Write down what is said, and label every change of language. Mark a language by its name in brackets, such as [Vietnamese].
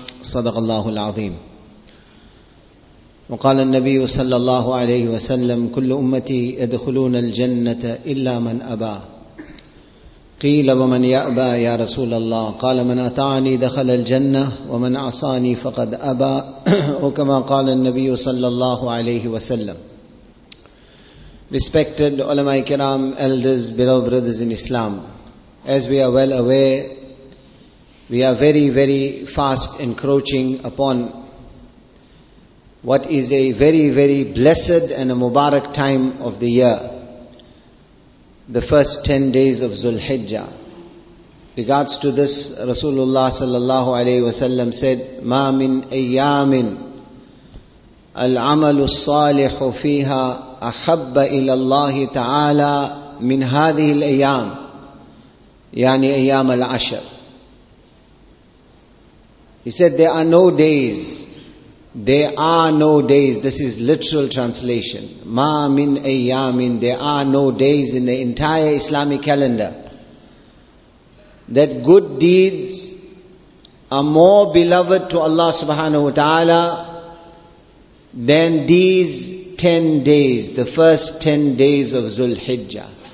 [Arabic] صدق الله العظيم. وقال النبي صلى الله عليه وسلم: كل أمتي يدخلون الجنة إلا من أبى. قيل: ومن يأبى يا رسول الله؟ قال: من أطاعني دخل الجنة، ومن عصاني فقد أبى. وكما قال النبي صلى الله عليه وسلم. [English] Respected ulama ikram, elders, beloved brothers in Islam, as we are well aware, we are very, very fast encroaching upon what is a very, very blessed and a mubarak time of the year, the first 10 days of Zulhijjah. Regards to this, Rasulullah sallallahu alayhi wa sallam said: [Arabic] مَا مِنْ أَيَّامٍ الْعَمَلُ الصَّالِحُ فِيهَا أحب إلى الله تعالى من هذه الأيام، يعني أيام العشر. [English] He said, there are no days. There are no days. This is literal translation. [Arabic] ما من أيام. [English] There are no days in the entire Islamic calendar that good deeds are more beloved to Allah subhanahu wa ta'ala than these 10 days, the first 10 days of Zulhijjah.